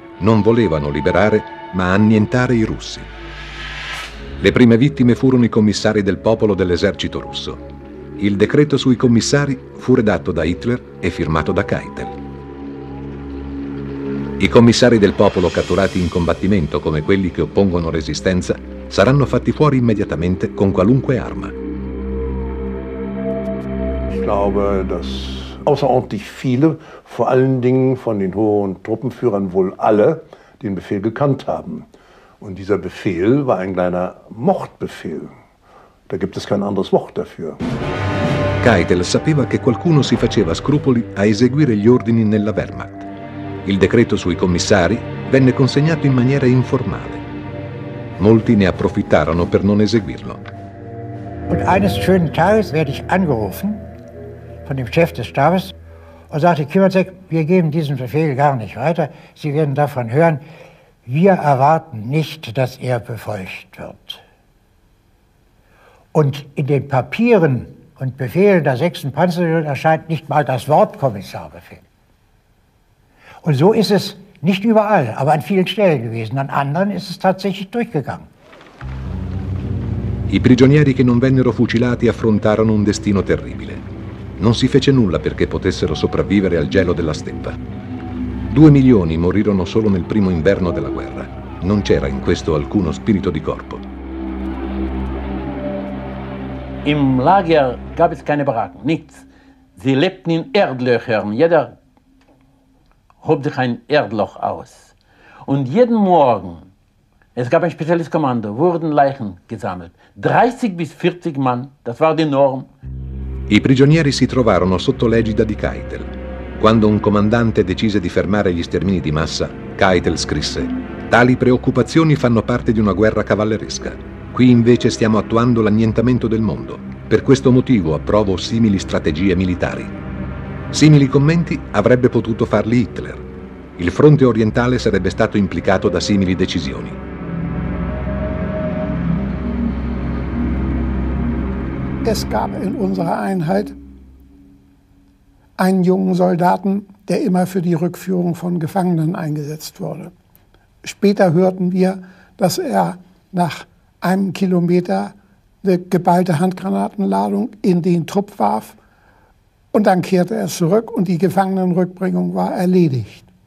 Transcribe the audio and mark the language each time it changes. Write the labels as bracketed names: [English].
[Italian] Non volevano liberare, ma annientare i russi. Le prime vittime furono i commissari del popolo dell'esercito russo. Il decreto sui commissari fu redatto da Hitler e firmato da Keitel. I commissari del popolo catturati in combattimento, come quelli che oppongono resistenza, saranno fatti fuori immediatamente con qualunque arma. [German] Ich glaube, dass außerordentlich viele, vor allen Dingen von den hohen Truppenführern wohl alle, den Befehl gekannt haben. Und dieser Befehl war ein kleiner Mordbefehl. Da gibt es kein anderes Wort dafür. [Italian] Keitel sapeva che qualcuno si faceva scrupoli a eseguire gli ordini nella Wehrmacht. Il decreto sui commissari venne consegnato in maniera informale. Molti ne approfittarono per non eseguirlo. [German] Und eines schönen Tages werde ich angerufen von dem Chef des Stabes und sagte: Kimmerzek, wir geben diesen Befehl gar nicht weiter. Sie werden davon hören. Wir erwarten nicht, dass befolgt wird. Und in den Papieren und Befehlen der 6. Panzerdivision erscheint nicht mal das Wort Kommissarbefehl. Und so ist es nicht überall, aber an vielen Stellen gewesen. An anderen ist es tatsächlich durchgegangen. [Italian] I prigionieri che non vennero fucilati affrontarono un destino terribile. Non si fece nulla perché potessero sopravvivere al gelo della steppa. 2 milioni morirono solo nel primo inverno della guerra. Non c'era in questo alcuno spirito di corpo. [German] Im Lager gab es keine Baracken, nichts. Sie lebten in Erdlöchern. Jeder hob sich ein Erdloch aus. Und jeden Morgen, es gab ein spezielles Kommando, wurden Leichen gesammelt. 30 bis 40 Mann, das war die Norm. [Italian] I prigionieri si trovarono sotto l'egida di Keitel. Quando un comandante decise di fermare gli stermini di massa, Keitel scrisse: «Tali preoccupazioni fanno parte di una guerra cavalleresca. Qui invece stiamo attuando l'annientamento del mondo. Per questo motivo approvo simili strategie militari». Simili commenti avrebbe potuto farli Hitler. Il fronte orientale sarebbe stato implicato da simili decisioni. [German] Es gab in unserer Einheit einen jungen Soldaten, der immer für die Rückführung von Gefangenen eingesetzt wurde. Später hörten wir, dass er nach 1 Kilometer eine geballte Handgranatenladung in den Trupp warf und dann kehrte er zurück und die Gefangenenrückbringung war erledigt.